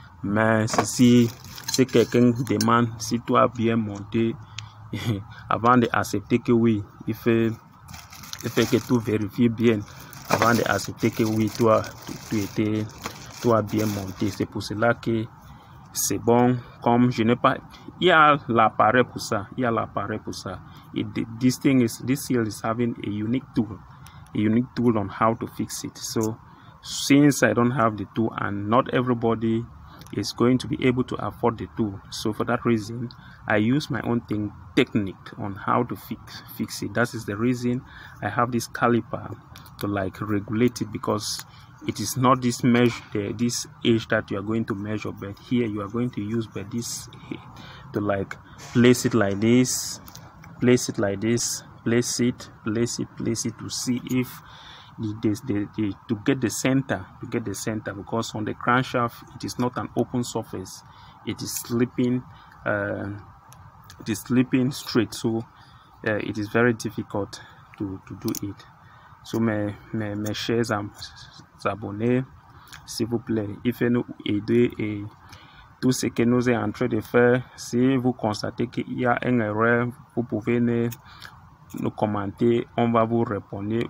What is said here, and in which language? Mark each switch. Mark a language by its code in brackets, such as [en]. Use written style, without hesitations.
[fr] Mais si quelqu'un demande si tu as bien monté, avant d'accepter que oui, il fait que tu vérifies bien avant d'accepter que oui, toi, tu étais tout a bien monté. C'est pour cela que c'est bon. Comme je n'ai pas, il y a l'appareil pour ça. Il y a l'appareil pour ça. [en] It, this thing is, this seal is having a unique tool on how to fix it. So since I don't have the tool and not everybody is going to be able to afford the tool, so for that reason I use my own thing, technique on how to fix it. That is the reason I have this caliper to like regulate it, because it is not this measure, this age that you are going to measure, but here you are going to use but this to like place it like this, place it like this, place it, place it, place it, to see if the to get the center, to get the center, because on the crankshaft it is not an open surface, it is slipping, it is slipping straight, so it is very difficult to do it. [fr] So mes chers abonnés, s'il vous plaît, il faut nous aider, et tout ce que nous est en train de faire, si vous constatez qu'il y a un erreur, vous pouvez nous commenter, on va vous répondre.